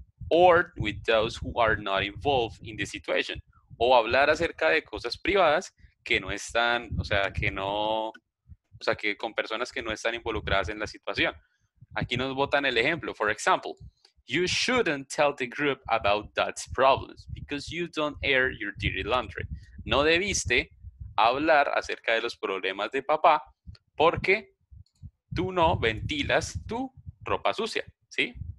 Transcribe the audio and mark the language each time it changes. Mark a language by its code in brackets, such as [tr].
[en] Or with those who are not involved in the situation. [es] O hablar acerca de cosas privadas que no están, o sea, que con personas que no están involucradas en la situación. Aquí nos botan el ejemplo. [en] For example, you shouldn't tell the group about that's problems because you don't air your dirty laundry. [es] No debiste hablar acerca de los problemas de papá porque tú no ventilas tu ropa sucia, ¿sí?